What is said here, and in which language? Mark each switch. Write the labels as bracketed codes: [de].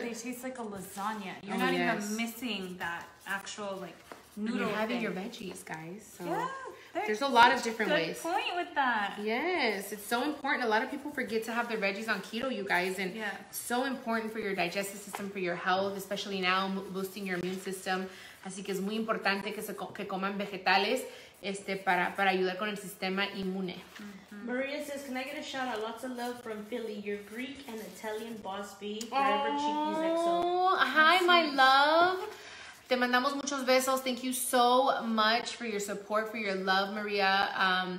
[en] They taste like a lasagna. You're not even missing that actual like noodle. You're having thing. Your veggies, guys. So yeah, there's a lot of different good ways. Good point with that. Yes, it's so important. A lot of people forget to have their veggies on keto, you guys. And so important for your digestive system, for your health, especially now boosting your immune system. [es] Así que es muy importante que coman vegetales para ayudar con el sistema inmune. [en] Mm-hmm. Maria says, can I get a shout out? Lots of love from Philly, your Greek and Italian boss B. Forever Chiquis XO. Hi, my love. [es] Te mandamos muchos besos. [en] Thank you so much for your support, for your love, Maria.